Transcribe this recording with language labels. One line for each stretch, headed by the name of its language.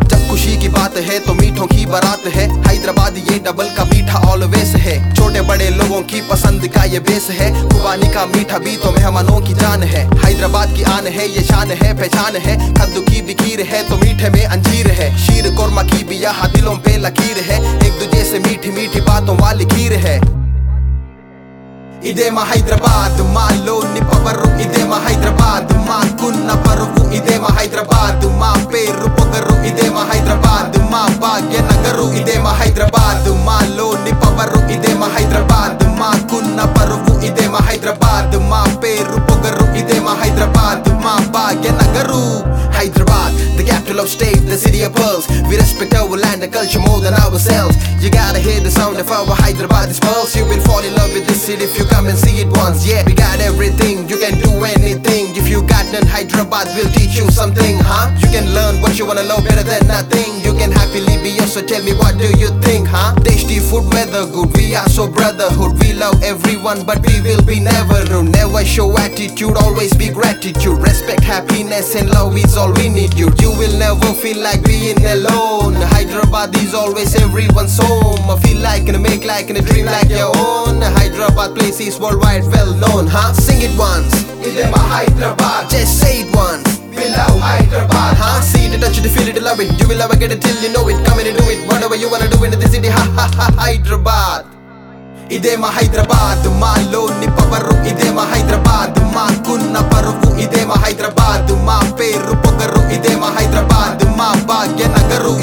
Hindi: जब खुशी की बात है तो मीठों की बारात है, हैदराबाद ये डबल का मीठा ऑलवेज है, छोटे बड़े लोगों की पसंद का ये बेस है, खुबानी का मीठा भी तो मेहमानों की जान है. हैदराबाद की आन है ये शान है, पहचान है, कद्दू की भी खीर है तो मीठे में अंजीर है, शीर कोरमा की भी यहाँ दिलों पे लकीर है, एक दूजे से मीठी मीठी बातों वाली खीर है.
Telugu: ఇదే మా హైదరాబాద్, మాలోని పవరు ఇదే మా హైదరాబాద్, మాకున్న పరువు ఇదే మా హైదరాబాద్, మా పేరు పొగరు ఇదే మా హైదరాబాద్, మా భాగ్య నగరు ఇదే మా హైదరాబాద్, మాలోని పవరు ఇదే మా హైదరాబాద్, మాకున్న పరువు ఇదే మా హైదరాబాద్, మా పేరు పొగరు ఇదే మా హైదరాబాద్, మా భాగ్య Nagar.
English: Hyderabad, the capital of state, the city of pearls, we respect our land and culture more than our selves, you gotta hear the sound of our Hyderabad pearls, you will fall in love with this city. If you come and see it once, yeah, we got everything, you can do anything. If you got none, Hyderabad will teach you something, huh? You can learn what you wanna know better than nothing. You can happily be yours, so tell me what do you think, huh? Tasty food, weather good, we are so brotherhood. We love everyone, but we will be never rude. Never show attitude, always be gratitude. Respect, happiness and love is all we need you. You will never feel like being alone. Hyderabad is always everyone's home. Feel like and make like and dream like your own. Hyderabad place is worldwide well known, huh? Sing it once.
Telugu: Ide ma Hyderabad.
English: Just say it once. We love Hyderabad. Huh? See it, touch it, feel it, love it. You will ever get it till you know it. Come in and do it. Whatever you wanna do in this city, ha ha ha. Hyderabad.
Telugu: ఇదే మా Hyderabad, మాలోని power ఇదే మా హైదరాబాద్, మాకున్న పరువు ఇదే మా హైదరాబాద్, మా పేరు పొగరు ఇదే మా హైదరాబాద్, మా భాగ్య నగరు.